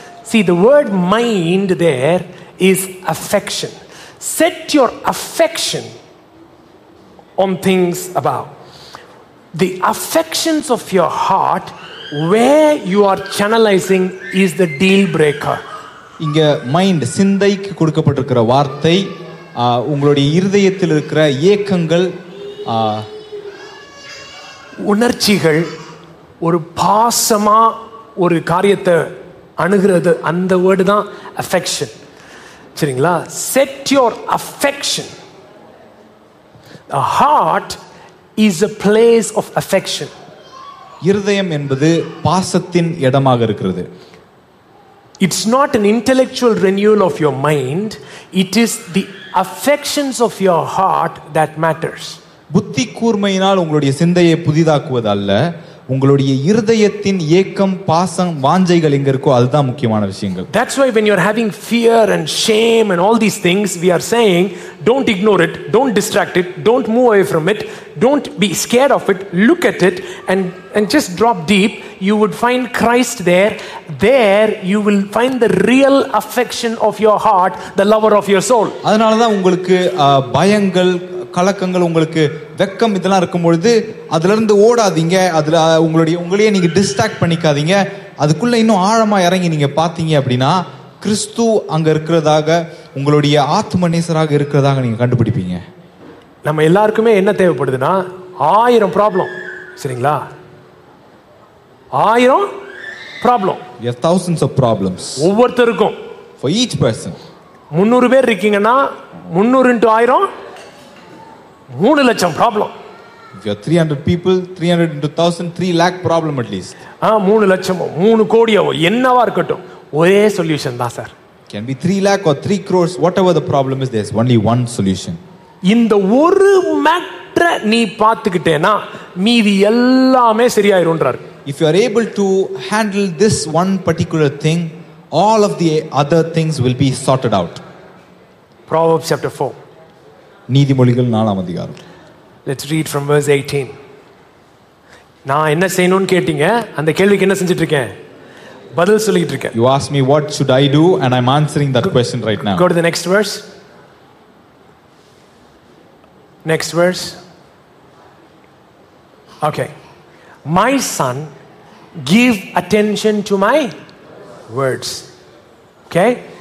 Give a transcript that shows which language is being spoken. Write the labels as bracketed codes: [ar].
[en] See, the word mind there is affection. Set your affection on things above. The affections of your heart, where you are channelizing, is the deal breaker. [ta] இங்க mind, சிந்தைக்கு கொடுக்கப்பட்டிருக்கிற வார்த்தை, உங்களுடைய இருதயத்தில் இருக்கிற ஏக்கங்கள், உணர்ச்சிகள், ஒரு பாசமா ஒரு காரியத்தை அணுகிறது, அந்த வேர்டு தான் அஃபெக்ஷன். சரிங்களா? [en] Set your affection. The heart is a place of affection. [ta] இருதயம் என்பது பாசத்தின் இடமாக இருக்கிறது. [en] It's not an intellectual renewal of your mind, it is the affections of your heart that matters. [ta] புத்தி கூர்மையினால் உங்களுடைய சிந்தையை புதிதாக்குவது அல்ல, உங்களுடைய இருதயத்தின் ஏக்கம், பாசம், வாஞ்சைகள் எங்க இருக்கோ அதுதான் முக்கியமான விஷயங்கள். [en] That's why when you're having fear and shame and all these things, we are saying, don't ignore it, don't distract it, don't move away from it, don't be scared of it, look at it and just drop deep. You would find Christ there. There you will find the real affection of your heart, the lover of your soul. [ta] அதனால தான் உங்களுக்கு பயங்கள், கலக்கங்கள், உங்களுக்கு வெக்கம் இதெல்லாம் இருக்கும் பொழுது அதுல இருந்து ஓடாதீங்க. அதுல உங்களுடைய உங்களையே நீங்க டிஸ்ட்ராக்ட் பண்ணிக்காதீங்க. அதுக்குள்ள இன்னும் ஆழமா இறங்கி நீங்க பாத்தீங்க அப்படின்னா, கிறிஸ்து அங்க இருக்கிறதாக, உங்களுடைய ஆத்ம நேசராக இருக்கிறதாக நீங்க கண்டுபிடிப்பீங்க. நம்ம எல்லாருக்குமே என்ன தேவைப்படுதுன்னா, 1000 ப்ராப்ளம். சரிங்களா? 1000 problem. [en] We have thousands of problems. [ta] ஒவ்வொருத்தருக்கும். [en] For each person. [ta] 300 பேர் இருக்கீங்கன்னா 300 × 1000. 3 லட்சம் problem. [en] If you are 300 people, 300 into 1000, 3 lakh problem at least. [ta] 3 லட்சம், 3 கோடியோ, என்னவா இருக்கட்டும், ஒரே சொல்யூஷன் தான் sir. [en] Can be 3 lakh or 3 crores, whatever the problem is, there's only one solution. [ta] இந்த ஒரு மேட்டர் நீ பாத்துக்கிட்டேனா மீதி எல்லாமே சரியாயிரும்ன்றார். [en] If you are able to handle this one particular thing, all of the other things will be sorted out. Proverbs chapter 4. [ta] நீதிமொழிகள் 4வது அதிகாரம். [en] Let's read from verse 18. [ta] நான் என்ன செய்யணும்னு கேட்டிங்க, அந்த கேள்விக்கு என்ன செஞ்சிட்டு இருக்கேன், பதில் சொல்லிட்டு இருக்கேன். [en] You asked me what should I do and I'm answering that question right now. Go to the next verse. Next verse. Okay. My son, give attention to my words. Okay?